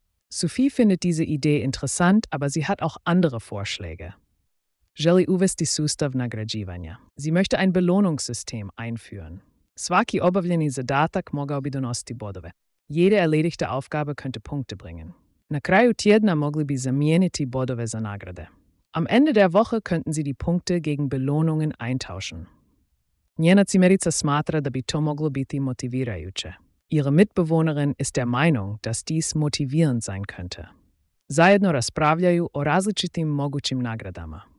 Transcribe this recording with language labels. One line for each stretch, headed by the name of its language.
German: Sophie findet diese Idee interessant, aber sie hat auch andere Vorschläge.
Croatian: Želi uvesti sustav nagrađivanja.
German: Sie möchte ein Belohnungssystem einführen.
Croatian: Svaki obavljeni zadatak mogao bi donositi bodove.
German: Jede erledigte Aufgabe könnte Punkte bringen.
Croatian: Na kraju tjedna mogli bi zamijeniti bodove za nagrade.
German: Am Ende der Woche könnten sie die Punkte gegen Belohnungen eintauschen.
Croatian: Njena cimerica smatra da bi to moglo biti motivirajuće.
German: Ihre Mitbewohnerin ist der Meinung, dass dies motivierend sein könnte.
Croatian: Zajedno raspravljaju o različitim mogućim nagradama.